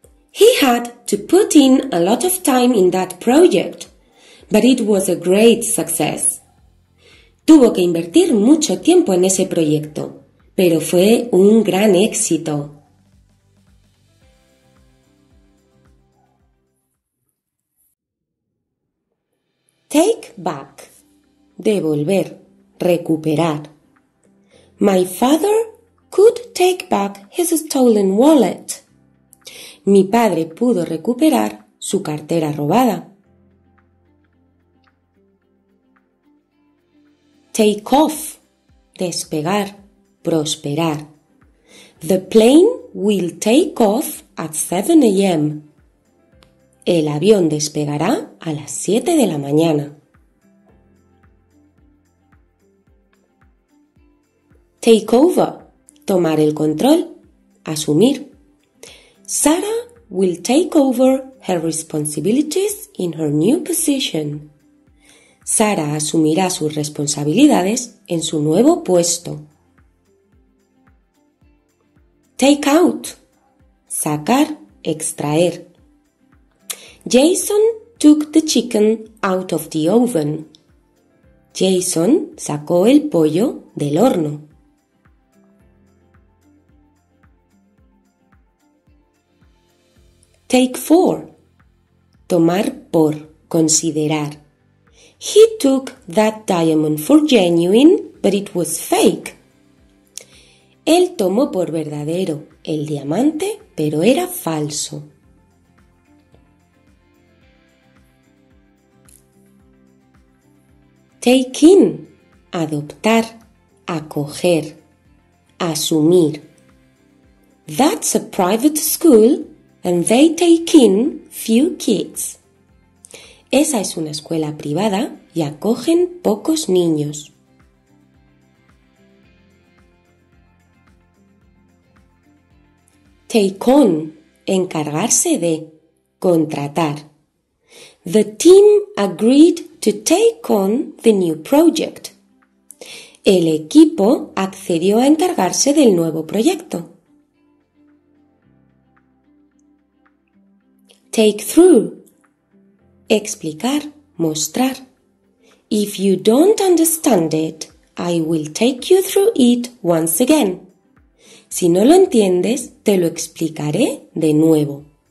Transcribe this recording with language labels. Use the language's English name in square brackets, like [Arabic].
[English] He had to put in a lot of time in that project, but it was a great success. [Spanish] Tuvo que invertir mucho tiempo en ese proyecto, pero fue un gran éxito. [English] Take back. [Spanish] Devolver. Recuperar. [English] My father could take back his stolen wallet. [Spanish] Mi padre pudo recuperar su cartera robada. [English] Take off. [Spanish] Despegar. Prosperar. [English] The plane will take off at 7 a.m. [Spanish] El avión despegará a las 7 de la mañana. [English] Take over. [Spanish] Tomar el control. Asumir. [English] Sarah will take over her responsibilities in her new position. [Spanish] Sara asumirá sus responsabilidades en su nuevo puesto. [English] Take out. [Spanish] Sacar, extraer. [English] Jason took the chicken out of the oven. [Spanish] Jason sacó el pollo del horno. [English] Take for. [Spanish] Tomar por, considerar. [English] He took that diamond for genuine, but it was fake. [Spanish] Él tomó por verdadero el diamante, pero era falso. [English] Take in. [Spanish] Adoptar, acoger, asumir. [English] That's a private school and they take in few kids. [Spanish] Esa es una escuela privada y acogen pocos niños. [English] Take on, [Spanish] encargarse de, contratar. [English] The team agreed to take on the new project. [Spanish] El equipo accedió a encargarse del nuevo proyecto. [English] Take through. [Spanish] Explicar, mostrar. [English] If you don't understand it, I will take you through it once again. [Spanish] Si no lo entiendes, te lo explicaré de nuevo.